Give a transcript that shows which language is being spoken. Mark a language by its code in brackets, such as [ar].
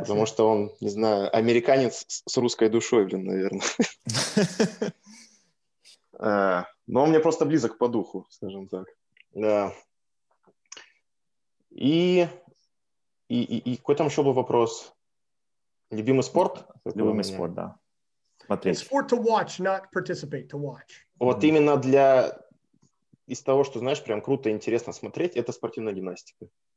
[ru] Потому что он, не знаю, американец с русской душой, блин, наверное. Но он мне просто близок по духу, скажем так. Да. И какой там еще был вопрос? Любимый спорт? Любимый спорт, да. смотреть. [en] It's sport to watch, not participate to watch. [ru] Вот именно для из того, что, знаешь, прям круто и интересно смотреть, это спортивная гимнастика.